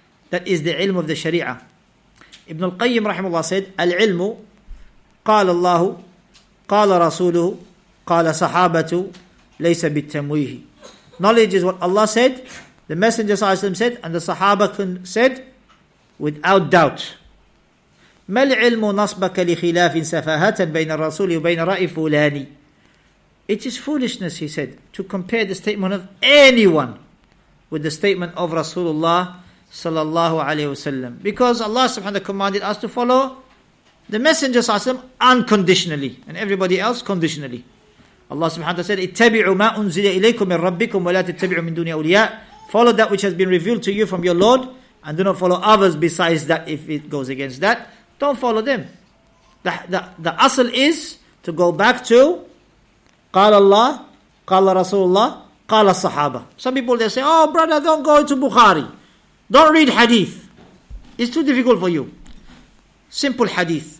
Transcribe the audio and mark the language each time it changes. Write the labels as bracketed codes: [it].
[en] That is the ilm of the Sharia. Ibn al-Qayyim rahimahullah said, [ar] Al-ilmu, qala Allahu, qala Rasuluhu, قال صحابة ليس بالتمويه. [en] Knowledge is what Allah said, the Messenger صلى الله عليه وسلم said, and the Sahaba said, without doubt. [ar] ما العلم نصبك لخلاف سفاهة بين الرسول وبين رأي فلاني. [en] It is foolishness, he said, to compare the statement of anyone with the statement of Rasulullah صلى الله عليه وسلم. Because Allah subhanahu wa ta'ala commanded us to follow the Messenger صلى الله عليه وسلم unconditionally, and everybody else conditionally. Allah subhanahu wa ta'ala said, [ar] اتبعوا ما أنزل إليكم من ربكم ولا تتبعوا من دون أولياء. [en] Follow that which has been revealed to you from your Lord, and do not follow others besides that if it goes against that. Don't follow them. The asl is to go back to [ar] قال الله قال رسول الله قال الصحابة. [en] Some people they say, oh brother, don't go to Bukhari. Don't read hadith. It's too difficult for you. Simple hadith.